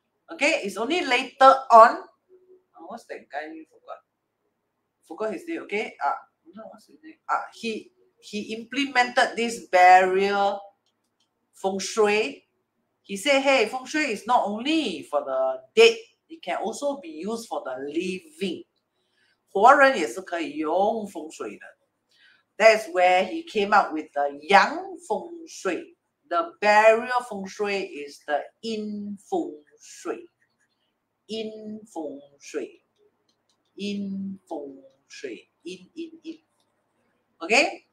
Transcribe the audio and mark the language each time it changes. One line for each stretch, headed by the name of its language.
English: Okay? It's only later on. What's that guy? Forgot his name, okay? What's his name? He implemented this barrier feng shui. He said, hey, feng shui is not only for the dead, it can also be used for the living.
Chinese: 活人也是可以用风水的.
English: That's where he came up with the yang feng shui. The barrier feng shui is the yin feng shui. Yin feng shui. in feng shui. In. Okay?